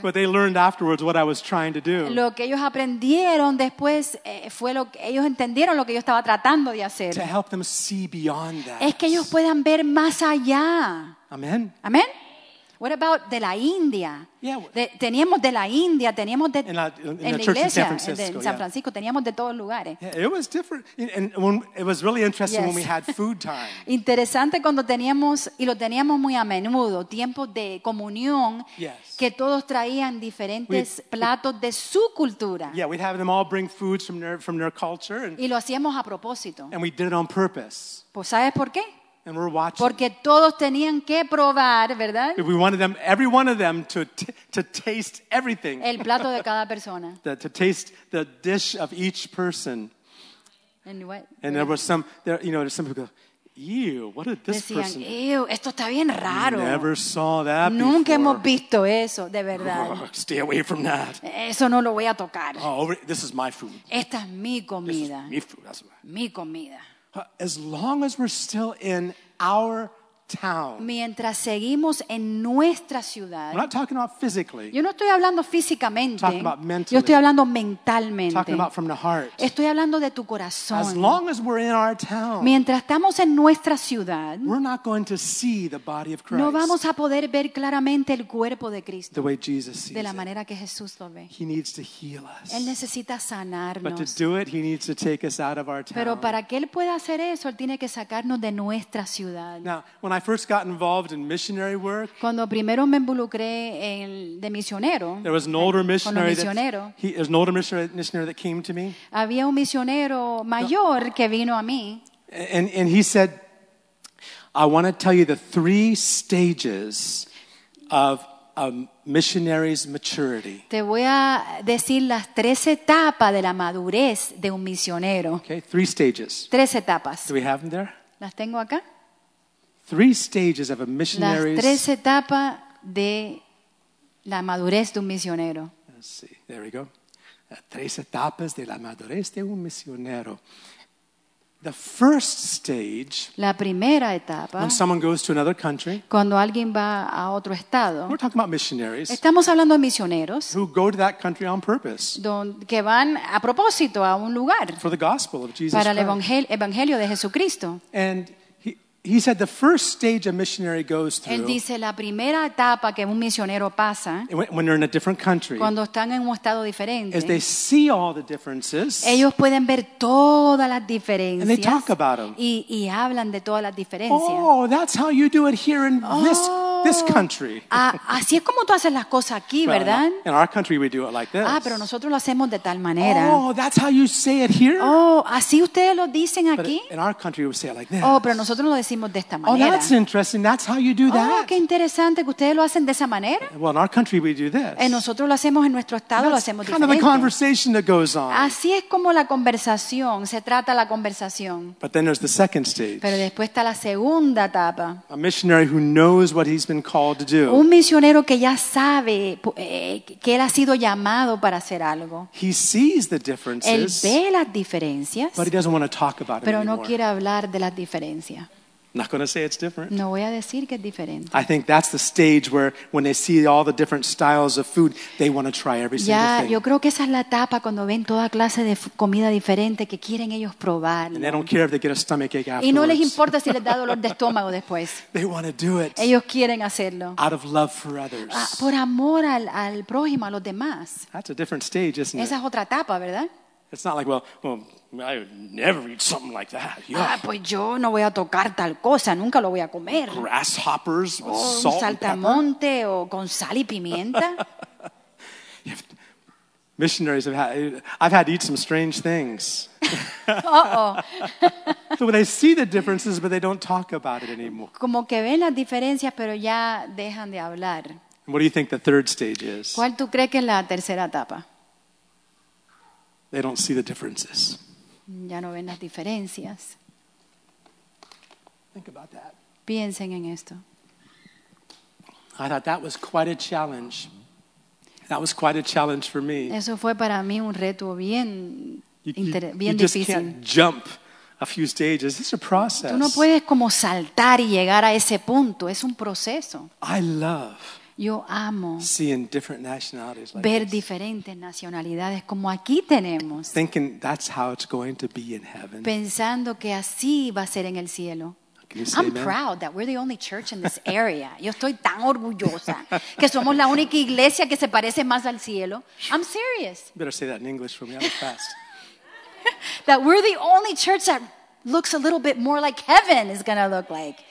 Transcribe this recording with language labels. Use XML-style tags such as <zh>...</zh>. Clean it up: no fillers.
<en>But they learned afterwards what I was trying to do.</en> <es>Lo que ellos aprendieron después fue lo que ellos entendieron lo que yo estaba tratando de hacer.</es> <en>To help them see beyond that.</en> <es>Es que ellos puedan ver más allá. Amén.</es> <en>Amén. What about</en> <es>de la India?</es> <en>Yeah,</en> <es>teníamos de la India, teníamos de</es> <en>in the iglesia in San</en> <es>Francisco, teníamos de todos lugares.</es> <en>Yeah, it was different, and when, it was really interesting yes. When we had food time.</en> <es>Interesante cuando teníamos y lo teníamos muy a menudo, tiempos de comunión</es> <en>yes.</en> <es>Que todos traían diferentes platos de su cultura.</es> <en>Yeah, we'd have them all bring foods from their culture. And,</en> <es>y lo hacíamos a propósito.</es> <en>And we did it on purpose.</en> <es>¿Pues sabes por qué?</es> <en>And we're watching.</en> <es>Porque todos tenían que probar, ¿verdad?</es> <en>If we wanted them, every one of them to taste everything.</en> <es>El plato de cada persona.</es> <en>To taste the dish of each person. And what? And there were some, there, you know, there's some people go, ew, what did this</en> <es>decían,</es> <en>person?</en> <es>Ew, esto está bien raro.</es> <en>Never saw that</en> <es>Nunca Hemos visto eso, de verdad.</es> <en>Oh, stay away from that.</en> <es>Eso no lo voy a tocar.</es> <en>Oh, over, this is my food.</en> <es>Esta es mi comida.</es> <en>This is mi food, that's right.</en> <es>Mi comida.</es> <en>As long as we're still in our town.</en> <es>Mientras seguimos en nuestra ciudad.</es> <en>I'm not talking about physically.</en> <es>Yo no estoy hablando físicamente.</es> <en>Talking about mentally.</en> <es>Yo estoy hablando mentalmente.</es> <en>Talking about from the heart.</en> <es>Estoy hablando de tu corazón.</es> <en>As long as we're in our town.</en> <es>Mientras estamos en nuestra ciudad.</es> <en>We're not going to see the body of Christ.</en> <es>No vamos a poder ver claramente el cuerpo de Cristo.</es> <en>The way Jesus sees</en> <es>de la manera que Jesús lo ve.</es> <en>He needs to heal us.</en> <es>Él necesita sanarnos.</es> <en>But to do it, he needs to take us out of our town.</en> <es>Pero para que él pueda hacer eso, él tiene que sacarnos de nuestra ciudad.</es> <en>Now, when I first got involved in missionary work,</en> <es>cuando primero me involucré en de misionero,</es> <en>there was an older missionary. There's an older missionary that came to me.</en> <es>Había un misionero mayor que vino a mí.</es> <en>And he said, "I want to tell you the three stages of a missionary's maturity."</en> <es>Te voy a decir las tres etapas de la madurez de un misionero.</es> <en>Okay, three stages.</en> <es>Tres etapas.</es> <en>Do we have them there?</en> <es>Las tengo acá.</es> <en>Three stages of a missionary's.</en> <es>Las tres etapas de la madurez de un misionero.</es> <en>Let's see. There we go.</en> <es>Las tres etapas de la madurez de un misionero.</es> <en>The first stage.</en> <es>La primera etapa.</es> <en>When someone goes to another country.</en> <es>Cuando alguien va a otro estado.</es> <en>We're talking about missionaries.</en> <es>Estamos hablando de misioneros.</es> <en>Who go to that country on purpose.</en> <es>Que van a propósito a un lugar.</es> <en>For the gospel of Jesus Christ.</en> <es>Para el evangelio de Jesucristo.</es> <en>And he said the first stage a missionary goes through.</en> <es>Él dice la primera etapa que un misionero pasa.</es> <en>When they're in a different country.</en> <es>Cuando están en un estado diferente.</es> <en>As they see all the differences.</en> <es>Ellos pueden ver todas las diferencias.</es> <en>And they talk about them.</en> <es>Y hablan de todas las diferencias.</es> <en>Oh, that's how you do it here in this country.</en> <es>Así es como tú haces las cosas aquí, ¿verdad?</es> <en>In our country we do it like this.</en> <es>Pero nosotros lo hacemos de tal manera.</es> <en>Oh, that's how you say it here?</en> <es>Oh, así ustedes lo dicen aquí?</es> <en>But in our country we say it like this.</en> <es>Oh, pero nosotros lo decimos de esta manera.</es> <en>Oh, that's interesting. That's how you do that.</en> <es>Oh, qué interesante que ustedes lo hacen de esa manera.</es> <en>Well, in our country we do this.</en> <es>En nosotros lo hacemos en nuestro estado, lo hacemos diferente.</es> <en>Kind of the conversation that goes on.</en> <es>Así es como la conversación, se trata la conversación.</es> <en>But then there's the second stage.</en> <es>Pero después está la segunda etapa.</es> <en>A missionary who knows what he's been called to do.</en> <es>Un misionero que ya sabe que él ha sido llamado para hacer algo.</es> <en>He sees the differences.</en> <es>Él ve las diferencias.</es> <en>But he doesn't want to talk about it</en> <es>pero</es> <en>anymore.</en> <es>No quiere hablar de las diferencias.</es> <en>Not going to say it's different.</en> <es>No voy a decir que es diferente.</es> <en>I think that's the stage where when they see all the different styles of food, they want to try every single thing.</en> <es>Yo creo que esa es la etapa cuando ven toda clase de comida diferente que quieren ellos probar.</es> <en>And they don't care if they get a stomach ache afterwards.</en> <es>Y no les importa si les da dolor de estómago después.</es> <en>They want to do it.</en> <es>Ellos quieren hacerlo.</es> <en>Out of love for others.</en> <es>Por amor al prójimo, a los demás.</es> <en>That's a different stage, isn't it?</en> <es>Esa es otra etapa, ¿verdad?</es> <en>It's not like, well, I would never eat something like that. Yeah.</en> <es>Pues yo no voy a tocar tal cosa, nunca lo voy a comer.</es> <en>Grasshoppers with salt and pepper.</en> <es>O un saltamonte o con sal y pimienta.</es> <en>Missionaries have had, I've had to eat some strange things. Uh-oh. So they see the differences, but they don't talk about it anymore.</en> <es>Como que ven las diferencias, pero ya dejan de hablar.</es> <en>What do you think the third stage is?</en> <es>¿Cuál tú crees que es la tercera etapa?</es> <en>They don't see the differences.</en> <es>Ya no ven las diferencias.</es> <en>Think about that.</en> <es>Piensen en esto.</es> <en>I thought that was quite a challenge. That was quite a challenge for me.</en> <es>Eso fue para mí un reto bien difícil.</es> <en>You just</en> <es>difícil.</es> <en>Can't jump a few stages. It's a process.</en> <es>Tú no puedes como saltar y llegar a ese punto. Es un proceso.</es> <en>I love.</en> <es>Yo amo</es> <en>seeing different nationalities like</en> <es>ver</es> <en>this.</en> <es>Diferentes nacionalidades como aquí tenemos.</es> <en>Thinking that's how it's going to be in heaven.</en> <es>Pensando que así va a ser en el cielo.</es> <en>I'm amen? Proud that we're the only church in this area.</en> <es>Yo estoy tan orgullosa que somos la única iglesia que se parece más al cielo.</es> <en>I'm serious. You better say that in English for me. I'm fast. That we're the only church that looks a little bit more like heaven is going to look like.</en>